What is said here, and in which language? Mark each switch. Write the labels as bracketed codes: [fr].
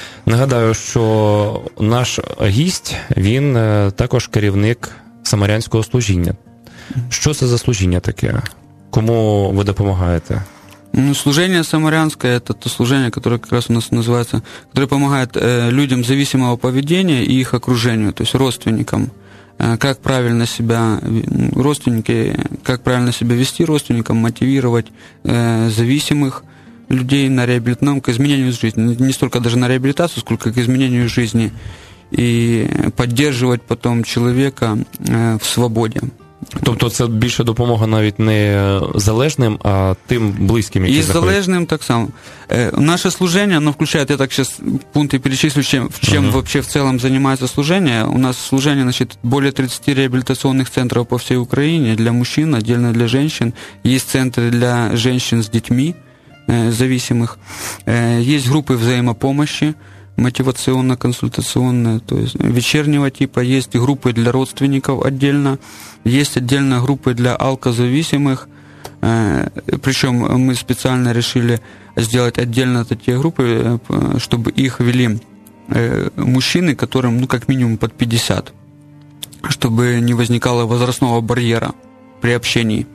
[uk] Нагадаю, що наш гість, він також керівник самарянського служіння. Що це за служіння таке? Кому ви допомагаєте? Ну, служіння самарянське – це те служіння, яке якраз у нас називається, яке допомагає людям зависимого поведення і їх окруженню, тобто родственникам. [ru] Как правильно себя родственники, как правильно себя вести родственникам, мотивировать зависимых людей на реабилитацию, ну, к изменению жизни. Не столько даже на реабилитацию, сколько к изменению жизни. И поддерживать потом человека в свободе. [uk] Тобто це більше допомога навіть не залежним, а тим близьким, які заходять? І залежним так само. Наше служення, ну, включає, я так зараз пункти перечислю, чим взагалі в цілому займається служення. У нас служення, значить, більше 30 реабілітаційних центрів по всій Україні для мужчин, віддільно для жінок. Є центри для жінок з дітьми зависимих. Є групи взаємопомощі, мотиваційно-консультаційні, тобто вечірнього типу. Є групи для родственників віддільно. [ru] Есть отдельная группа для алкозависимых, причем мы специально решили сделать отдельно такие группы, чтобы их вели мужчины, которым, ну, как минимум под 50, чтобы не возникало возрастного барьера при общении.